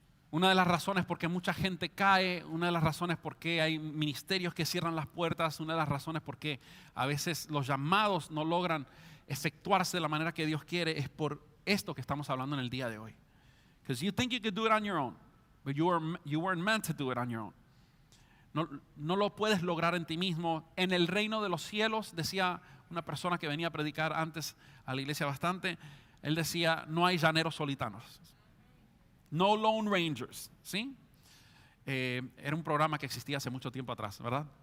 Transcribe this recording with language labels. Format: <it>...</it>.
<es>Una de las razones por qué mucha gente cae, una de las razones por qué hay ministerios que cierran las puertas, una de las razones por qué a veces los llamados no logran efectuarse de la manera que Dios quiere, es por esto que estamos hablando en el día de hoy.</es> <en>Because you think you could do it on your own, but you weren't meant to do it on your own.</en> <es>No lo puedes lograr en ti mismo. En el reino de los cielos, decía una persona que venía a predicar antes a la iglesia bastante, él decía, no hay llaneros solitanos.</es> <en>No Lone Rangers,</en> <es>¿sí? Era un programa que existía hace mucho tiempo atrás, ¿verdad?</es>